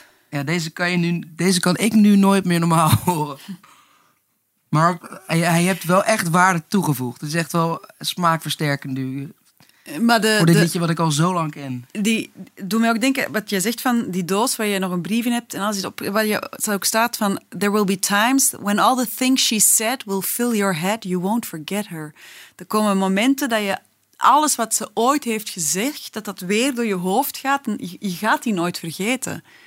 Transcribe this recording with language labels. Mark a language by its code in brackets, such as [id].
[nl] Ja, deze kan ik nu nooit meer normaal horen. Maar hij hebt wel echt waarde toegevoegd. Het is echt wel smaakversterkend nu. Maar voor dit liedje wat ik al zo lang ken. Die doet mij ook denken, wat je zegt van die doos waar je nog een brief in hebt. En als je waar je ook staat van... [en] There will be times when all the things she said will fill your head. You won't forget her. [nl] Er komen momenten dat je alles wat ze ooit heeft gezegd... dat weer door je hoofd gaat en je gaat die nooit vergeten.